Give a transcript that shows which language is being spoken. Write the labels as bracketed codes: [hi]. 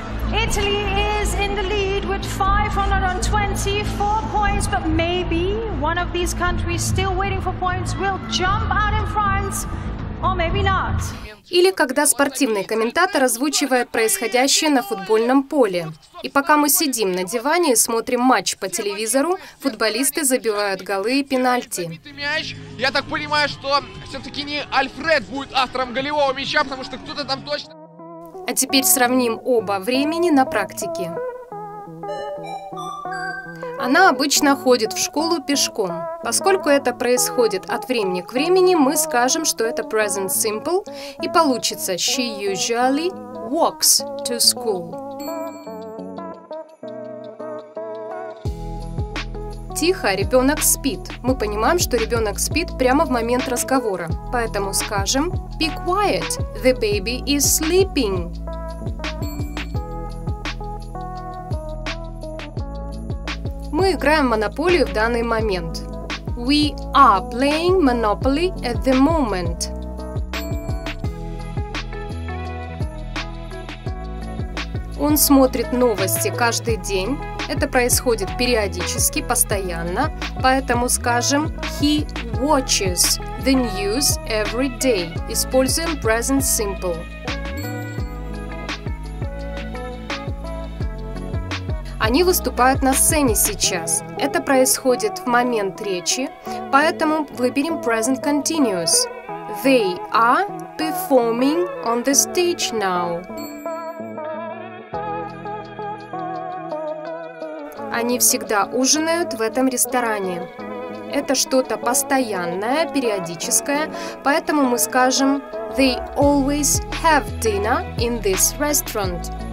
[en] Italy is in the lead with 524 points, but maybe one of these countries still waiting for points will jump out in front, or maybe not. [ru] Или когда спортивный комментатор озвучивает происходящее на футбольном поле. И пока мы сидим на диване и смотрим матч по телевизору, футболисты забивают голы и пенальти. Я так понимаю, что все-таки не Альфред будет автором голевого мяча, потому что кто-то там точно... А теперь сравним оба времени на практике. Она обычно ходит в школу пешком. Поскольку это происходит от времени к времени, мы скажем, что это present simple, и получится [en] she usually walks to school. [ru] Тихо, ребенок спит. Мы понимаем, что ребенок спит прямо в момент разговора. Поэтому скажем [en] be quiet, the baby is sleeping. [ru] Мы играем монополию в данный момент. [en] We are playing Monopoly at the moment. [ru] Он смотрит новости каждый день. Это происходит периодически, постоянно. Поэтому скажем [en] he watches the news every day. [ru] Используем present simple. Они выступают на сцене сейчас. Это происходит в момент речи, поэтому выберем present continuous. [en] They are performing on the stage now. [ru] Они всегда ужинают в этом ресторане. Это что-то постоянное, периодическое, поэтому мы скажем [en] they always have dinner in this restaurant.